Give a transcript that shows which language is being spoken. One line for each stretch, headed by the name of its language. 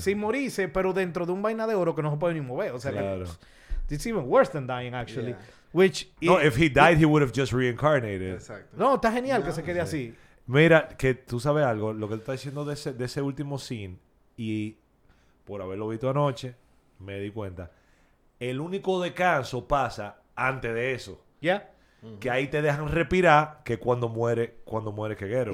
Spanish: Sin morirse, pero dentro de un vaina de oro que no se puede ni mover. O sea, claro.
English: It's even worse than dying, actually. Yeah. Which no, if he died, he would have just reincarnated.
Spanish: Exacto. No, está genial que se quede así. Mira, que tú sabes algo. Lo que él está diciendo de ese último scene, y por haberlo visto anoche, me di cuenta. El único descanso pasa antes de eso.
English: Yeah.
Spanish: Que ahí te dejan respirar, que cuando muere Keguero.